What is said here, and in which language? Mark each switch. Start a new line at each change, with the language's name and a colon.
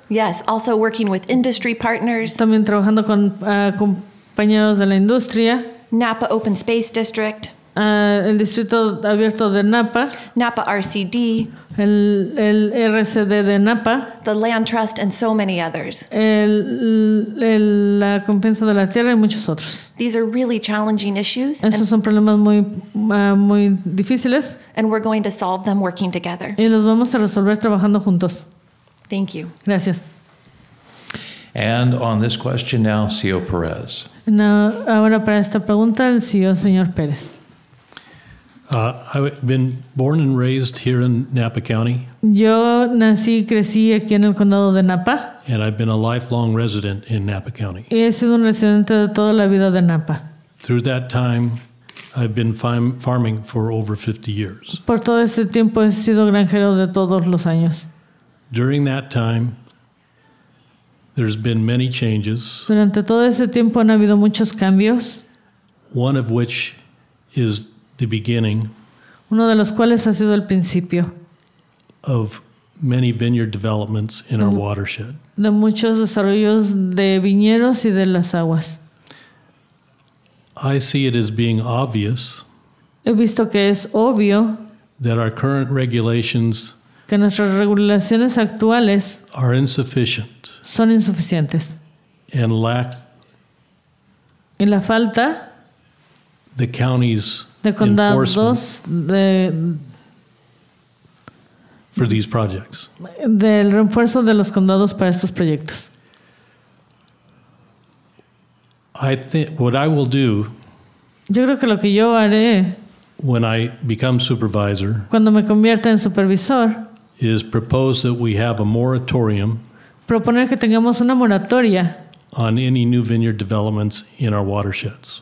English: Yes, also working with industry partners.
Spanish: También trabajando con compañeros de la industria.
English: Napa Open Space District.
Spanish: El Distrito Abierto de Napa.
English: Napa RCD.
Spanish: El RCD de Napa.
English: The Land Trust and so many others.
Spanish: La Compensa de la Tierra y muchos otros.
English: These are really challenging issues.
Spanish: Estos son problemas muy, muy difíciles.
English: And we're going to solve them working together.
Spanish: Y los vamos a resolver trabajando juntos.
English: Thank you.
Spanish: Gracias.
English: And on this question now, CEO Perez.
Spanish: Ahora para esta pregunta, el CEO, señor Pérez.
English: I've been born and raised here in Napa County.
Spanish: Yo nací y crecí aquí en el condado de Napa.
English: And I've been a lifelong resident in Napa County.
Spanish: Y he sido un residente de toda la vida de Napa.
English: Through that time, I've been farming for over 50 years.
Spanish: Por todo este tiempo he sido granjero de todos los años.
English: During that time, there's been many changes.
Spanish: Durante todo ese tiempo han habido muchos cambios.
English: One of which is the beginning.
Spanish: Uno de los cuales ha sido el principio.
English: Of many vineyard developments in our watershed.
Spanish: De muchos desarrollos de viñedos y de las aguas.
English: I see it as being obvious.
Spanish: He visto que es obvio.
English: That our current regulations.
Spanish: Que nuestras regulaciones actuales.
English: Are insufficient.
Spanish: Son insuficientes.
English: And lack.
Spanish: Y la falta.
English: The county's.
Spanish: De condados de,
English: for these projects.
Spanish: Del refuerzo de los condados para estos proyectos.
English: I think what I will do.
Spanish: Yo creo que lo que yo haré.
English: When I become supervisor.
Spanish: Cuando me convierta en supervisor.
English: Is propose that we have a moratorium.
Spanish: Proponer que tengamos una moratoria.
English: On any new vineyard developments in our watersheds.